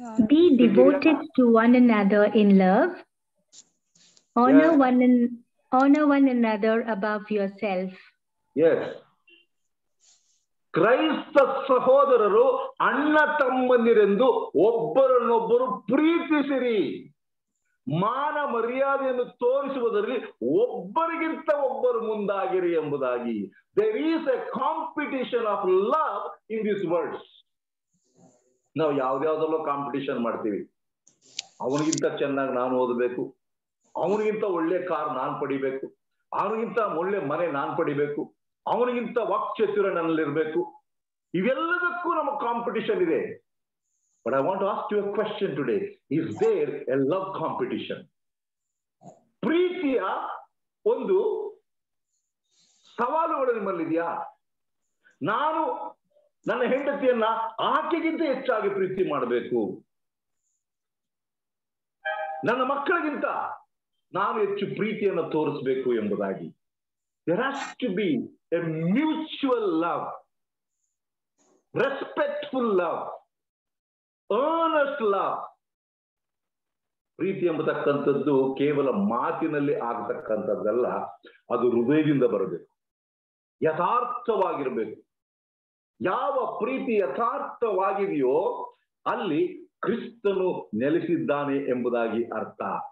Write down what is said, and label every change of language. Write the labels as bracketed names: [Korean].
[English] Be devoted to one another in love. Honor one another above yourself. Yes. [Kannada] ಕ್ರೈಸ್ತ ಸಹೋದರರು ಅಣ್ಣ ತಮ್ಮಂದಿರೆಂದು ಒಬ್ಬರನ್ನೊಬ್ಬರು ಪ್ರೀತಿಸಿರಿ. ಮಾನ ಮರ್ಯಾದೆಯನ್ನು ತೋರಿಸುವುದರಲ್ಲಿ ಒಬ್ಬರಿಗಿಂತ ಒಬ್ಬರು ಮುಂದಾಗಿರಿ ಎಂಬುದಾಗಿ. [English] There is a competition of love in these words. [Kannada] ನಾವು ಯಾವ್ದಾವ್ದಲ್ಲೋ ಕಾಂಪಿಟಿಷನ್ ಮಾಡ್ತೀವಿ. ಅವನಿಗಿಂತ ಚೆನ್ನಾಗಿ ನಾನು ಓದಬೇಕು, ಅವನಿಗಿಂತ ಒಳ್ಳೆ ಕಾರ್ ನಾನು ಪಡಿಬೇಕು, ಅವನಿಗಿಂತ ಒಳ್ಳೆ ಮನೆ ನಾನು ಪಡಿಬೇಕು, ಅವನಿಗಿಂತ ವಾಕ್ಚತುರ ನನ್ನಲ್ಲಿರ್ಬೇಕು. ಇವೆಲ್ಲದಕ್ಕೂ ನಮ್ಮ ಕಾಂಪಿಟಿಷನ್ ಇದೆ. [English] But I want to ask you a question today, is there a love competition? [Kannada] ಪ್ರೀತಿಯ ಒಂದು ಸವಾಲುಗಳು ನಿಮ್ಮಲ್ಲಿದೆಯಾ? ನಾನು ನನ್ನ ಹೆಂಡತಿಯನ್ನ ಆಕೆಗಿಂತ ಹೆಚ್ಚಾಗಿ ಪ್ರೀತಿ ಮಾಡಬೇಕು, ನನ್ನ ಮಕ್ಕಳಿಗಿಂತ ನಾನು ಹೆಚ್ಚು ಪ್ರೀತಿಯನ್ನು ತೋರಿಸ್ಬೇಕು ಎಂಬುದಾಗಿ. [English] There has to be a mutual love, respectful love, earnest love. [Kannada] ಪ್ರೀತಿ ಎಂಬತಕ್ಕಂಥದ್ದು ಕೇವಲ ಮಾತಿನಲ್ಲಿ ಆಗತಕ್ಕಂಥದ್ದಲ್ಲ, ಅದು ಹೃದಯದಿಂದ ಬರಬೇಕು, ಯಥಾರ್ಥವಾಗಿರಬೇಕು. ಯಾವ ಪ್ರೀತಿ ಯಥಾರ್ಥವಾಗಿದೆಯೋ ಅಲ್ಲಿ ಕ್ರಿಸ್ತನು ನೆಲೆಸಿದ್ದಾನೆ ಎಂಬುದಾಗಿ ಅರ್ಥ.